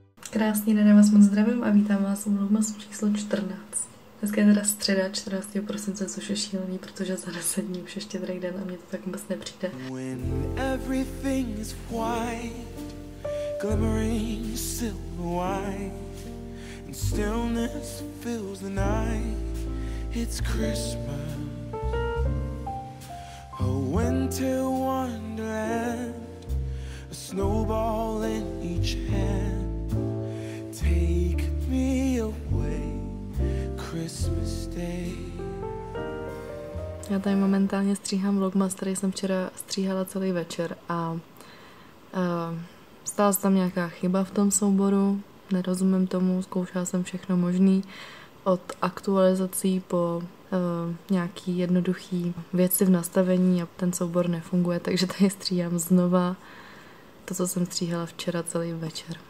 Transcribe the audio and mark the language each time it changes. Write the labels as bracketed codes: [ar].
[cs] Krásný den, vás moc zdravím a vítám vás u Lumasu číslo 14. Dneska je teda středa 14. prosince, což je šílený, protože za 10 dní už je štědrý den a mě to tak moc nepřijde. [en] When everything is quiet, glimmering silver white, and stillness fills the night, it's Christmas. A winter wonderland, a snowball in each hand. Take me away, Christmas Day. [cs] Já tady momentálně stříhám vlogmas, který jsem včera stříhala celý večer a stala se tam nějaká chyba v tom souboru, nerozumím tomu, zkoušela jsem všechno možný, od aktualizací po nějaký jednoduchý věci v nastavení a ten soubor nefunguje, takže tady stříhám znova to, co jsem stříhala včera celý večer.